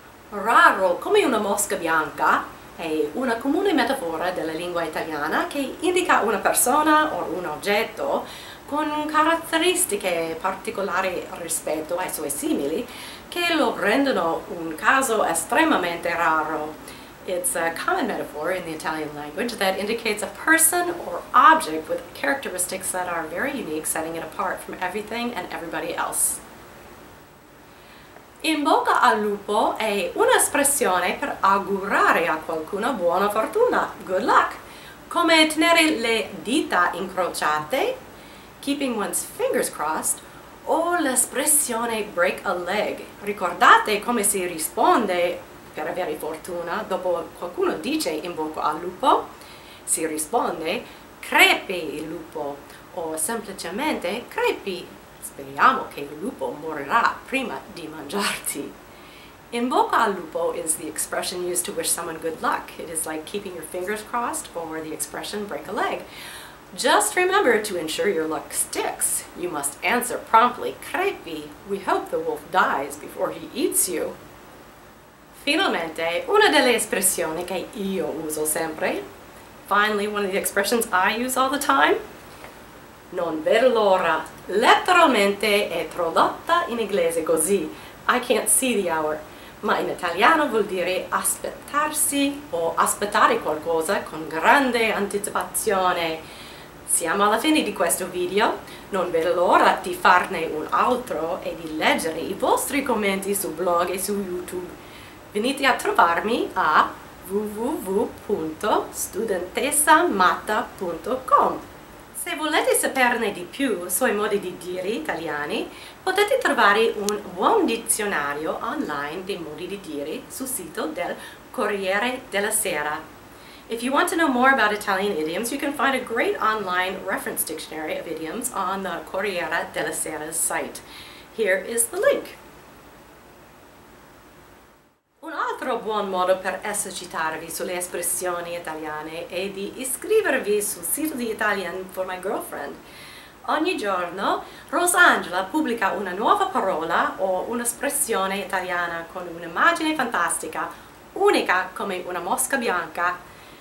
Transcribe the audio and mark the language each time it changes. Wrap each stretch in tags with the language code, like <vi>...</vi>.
<it>Raro come una mosca bianca è una comune metafora della lingua italiana che indica una persona o un oggetto con caratteristiche particolari rispetto ai suoi simili che lo rendono un caso estremamente raro.</it> <en>It's a common metaphor in the Italian language that indicates a person or object with characteristics that are very unique, setting it apart from everything and everybody else.</en> <it>In bocca al lupo è un'espressione per augurare a qualcuno buona fortuna,</it> <en>good luck,</en> <it>come tenere le dita incrociate,</it> <en>keeping one's fingers crossed,</en> <it>o l'espressione</it> <en>break a leg.</en> <it>Ricordate come si risponde per avere fortuna dopo qualcuno dice in bocca al lupo? Si risponde crepi il lupo, o semplicemente crepi. Speriamo che il lupo morirà prima di mangiarti. In bocca al lupo</it> <en>is the expression used to wish someone good luck. It is like keeping your fingers crossed or the expression break a leg. Just remember to ensure your luck sticks. You must answer promptly, crepi. We hope the wolf dies before he eats you.</en> <it>Finalmente, una delle espressioni che io uso sempre.</it> <en>Finally, one of the expressions I use all the time.</en> <it>Non vedo l'ora. Letteralmente è tradotta in inglese così.</it> <en>I can't see the hour.</en> <it>Ma in italiano vuol dire aspettarsi o aspettare qualcosa con grande anticipazione. Siamo alla fine di questo video. Non vedo l'ora di farne un altro e di leggere I vostri commenti su blog e su YouTube. Venite a trovarmi a www.studentessamatta.com. Se volete saperne di più sui modi di dire italiani, potete trovare un buon dizionario online dei modi di dire sul sito del Corriere della Sera.</it> <en>If you want to know more about Italian idioms, you can find a great online reference dictionary of idioms on the Corriere della Sera's site. Here is the link.</en> <it>Un altro buon modo per esercitarvi sulle espressioni italiane è di iscrivervi sul sito di Italian for My Girlfriend. Ogni giorno, Rosangela pubblica una nuova parola o un'espressione italiana con un'immagine fantastica, unica come una mosca bianca.</it>